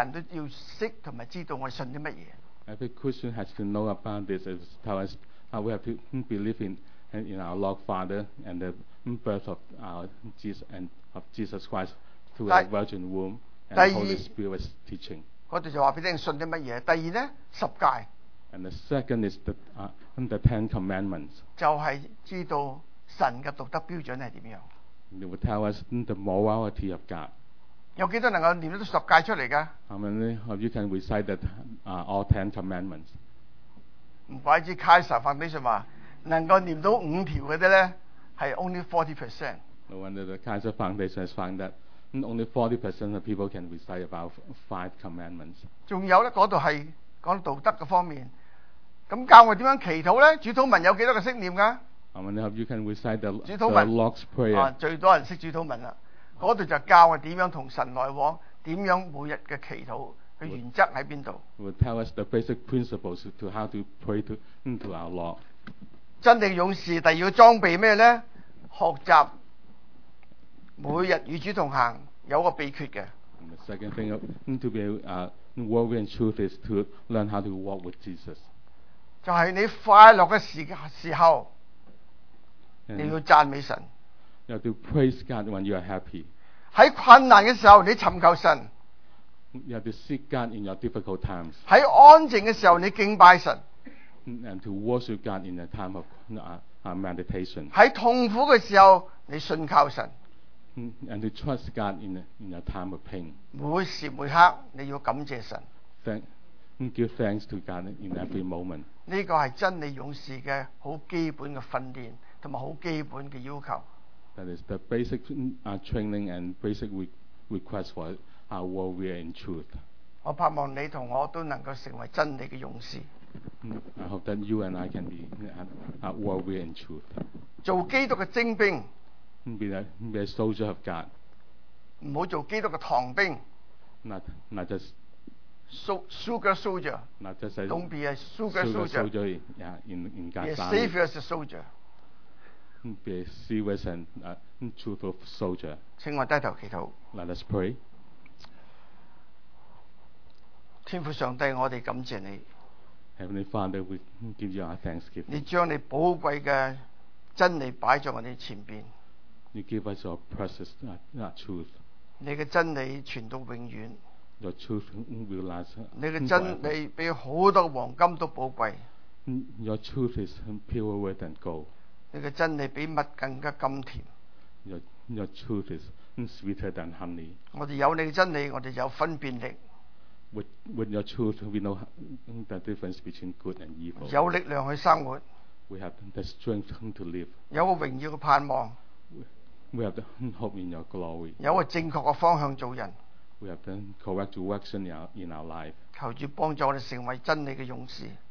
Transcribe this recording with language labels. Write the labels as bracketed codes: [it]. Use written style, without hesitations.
[zh] 有我信聖靈大而聖功的教會那個是我們每個人都要認識和知道我們信什麼 [en] Every Christian has to know about this is tell us how we have to believe in our Lord Father and the birth of our Jesus and of Jesus Christ through the virgin womb and the Holy Spirit's teaching [zh] 那就告訴你信什麼 第二呢,十戒 [en] And the second is the Ten Commandments [zh] 就是知道 神的道德標準是怎樣? [en] It will tell us the morality of God. [zh] 有多少人能念到十戒出來的? [en] How many of you can recite that, all Ten Commandments? [zh] 難怪Kaiser法律師說, 能夠念到五條的呢, 是 only 40%. [en] No wonder the Kaiser Foundation has found that only 40% of people can recite about five commandments. [zh] 還有呢,那裡是講道德的方面, 那教我怎樣祈禱呢? 主禱文有多少個識念的? [en] How many of you can recite the Lord's Prayer? [zh] 最多人懂主禱文了 那裡就教我們怎樣跟神來往 怎樣每天的祈禱原則在哪裡 [en] will tell us the basic principles to how to pray to our Lord [zh] 真理勇士第二個裝備是什麼呢?學習每天與主同行 有一個秘訣的 [en] The second thing to be a warrior in truth is to learn how to walk with Jesus [zh] 就是你快樂的時候 你要讚美神 [en] You have to praise God when you are happy [zh] 在困難的時候你尋求神 [en] You have to seek God in your difficult times [zh] 在安靜的時候你敬拜神 [en] And to worship God in a time of meditation [zh] 在痛苦的時候你信靠神 [en] And to trust God in a time of pain [zh] 每時每刻你要感謝神 [en] Give thanks to God in every moment [zh] 這是真理勇士的很基本的訓練 和很基本的要求 [en] That is the basic training and basic request for our warrior in truth [zh] 我盼望你和我都能够成为真理的勇士 [en] I hope that you and I can be a warrior in truth [zh] 做基督的精兵 [en] Be a soldier of God [zh] 不要做基督的堂兵 [en] Not just sugar soldier Not just a Don't be a sugar soldier in God's army Be a savior as a soldier Be serious and truthful soldier. [zh] 请我低头祈祷. [en] Let us pray. [zh] 天父上帝, 我们感谢你. [en] Heavenly Father, we give you our thanksgiving. [zh] 你将你宝贵的真理摆在我们前边. [en] You give us your precious truth. [zh] 你的真理传到永远. [en] Your truth will last. [zh] 你的真理比很多黄金都宝贵. [en] Your truth is purer than gold. [zh] 你的真理比蜜更加甘甜 [en] Your truth is sweeter than honey [zh] 我们有你的真理 我们有分辨力 [en] With your truth we know the difference between good and evil [zh] 有力量去生活 [en] We have the strength to live [zh] 有个荣耀的盼望 [en] We have the hope in your glory [zh] 有个正确的方向做人 [en] We have the correct direction in our life [zh] 求主帮助我们成为真理的勇士